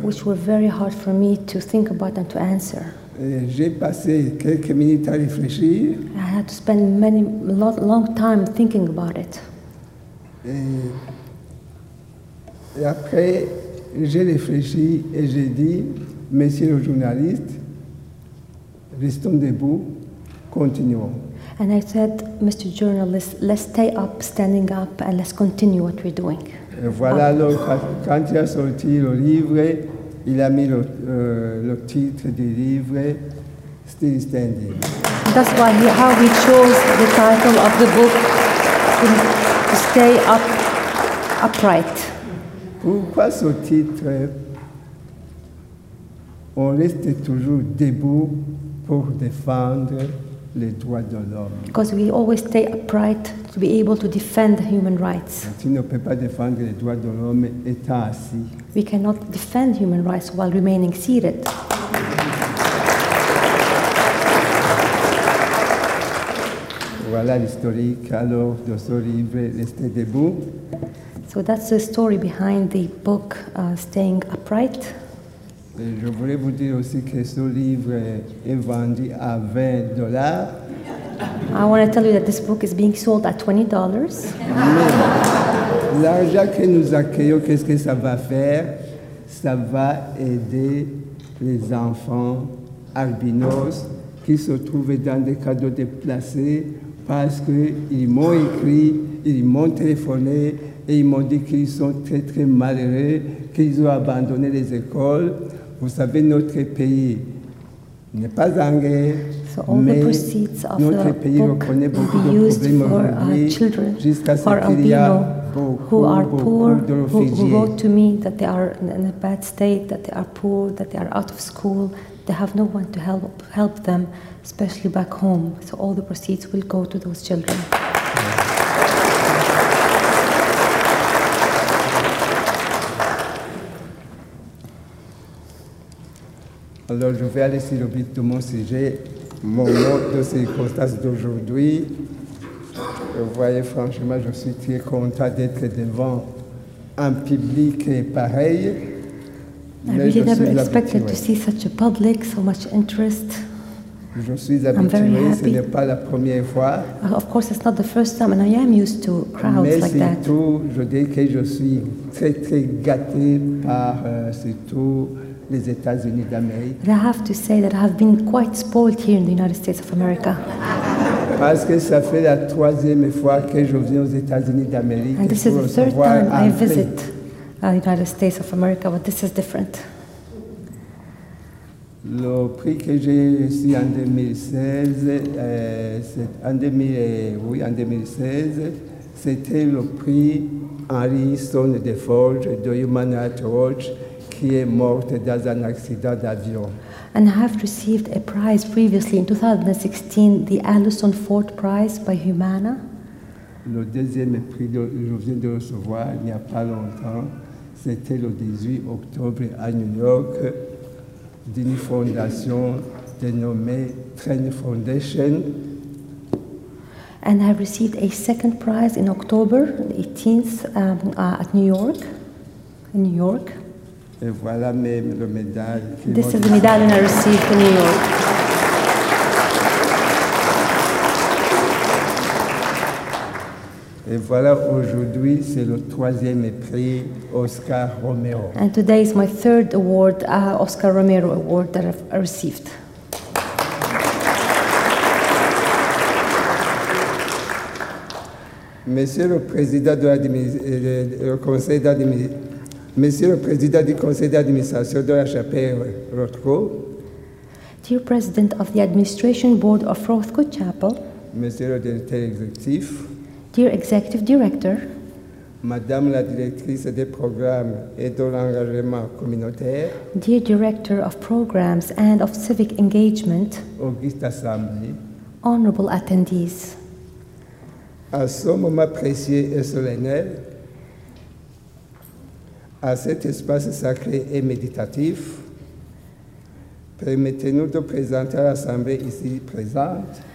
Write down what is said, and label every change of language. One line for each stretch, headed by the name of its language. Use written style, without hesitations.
English: Which were very hard for me to think about and to answer.
French: J'ai passé quelques minutes à réfléchir.
English: I had to spend many long time thinking about it.
French: Et après, j'ai réfléchi et j'ai dit, monsieur le journaliste, restons debout, continuons.
English: And I said, Mr. Journalist, let's stay up, standing up, and let's continue what we're doing.
French: Et voilà, alors, quand il a sorti le livre, il a mis le titre du livre, Still Standing.
English: That's why how he chose the title of the book, to Stay Up, Upright.
French: Pourquoi ce titre, on reste toujours debout pour défendre les droits de l'homme.
English: Because we always stay upright to be able to defend human rights.
French: Tu ne peux pas défendre les droits de l'homme étant assis.
English: We cannot defend human rights while remaining seated.
French: Voilà l'historique alors de ce livre, Restez debout.
English: So that's the story behind the book, Staying Upright.
French: Et je voulais vous dire aussi que ce livre est vendu à $20.
English: I want to tell you that this book is being sold at $20.
French: Mais l'argent que nous accueillons, qu'est-ce que ça va faire? Ça va aider les enfants albinos qui se trouvaient dans des cadres déplacés parce qu'ils m'ont écrit, ils m'ont téléphoné et ils m'ont dit qu'ils sont très, très malheureux, qu'ils ont abandonné les écoles. Vous savez, notre pays n'est pas en guerre, mais notre pays reconnaît beaucoup de problèmes aujourd'hui jusqu'à ce qu'il y a
English: who are poor, who wrote to me that they are in a bad state, that they are poor, that they are out of school, they have no one to help them, especially back home. So all the proceeds will go to those children.
French: Alors, je vais aller sur le but de mon sujet, mon mot de circonstance d'aujourd'hui. Vous voyez, franchement, je suis très content d'être devant un public pareil. Je suis habitué, ce n'est pas la première fois.
English: Of course, it's not the first time, and I am used to crowds
French: mais
English: like that.
French: Mais surtout, je dis que je suis très, très gâté par surtout les États-Unis d'Amérique.
English: But I have to say that I have been quite spoiled here in the United States of America.
French: Parce que ça fait la troisième fois que je viens aux États-Unis d'Amérique.
English: And this is the third time I visit the United States of America, but this is different.
French: Le prix que j'ai reçu en 2016, c'était le prix Henry Stone de Forge, de Human Rights Watch, qui est morte dans un accident d'avion.
English: And I have received a prize previously in 2016, the Alison Ford Prize by Humana.
French: Le deuxième prix que je viens de recevoir il n'y a pas longtemps, c'était le 18 octobre à New York, d'une fondation dénommée Train Foundation.
English: And I received a second prize in October, the 18th, at New York, in New York.
French: Et voilà même le médaille.
English: This is the medal I received in New York.
French: Et voilà aujourd'hui, c'est le troisième prix Oscar Romero.
English: And today is my third award, Oscar Romero award that I've received.
French: Monsieur le président de le conseil d'administration. Monsieur le président du conseil d'administration de la chapelle Rothko.
English: Dear President of the Administration Board of Rothko Chapel.
French: Monsieur le directeur exécutif.
English: Dear Executive Director.
French: Madame la directrice des programmes et de l'engagement communautaire.
English: Dear Director of Programs and of Civic Engagement.
French: Auguste Assemblée.
English: Honorable attendees.
French: À ce moment précieux et solennel, à cet espace sacré et méditatif, permettez-nous de présenter à l'Assemblée ici présente,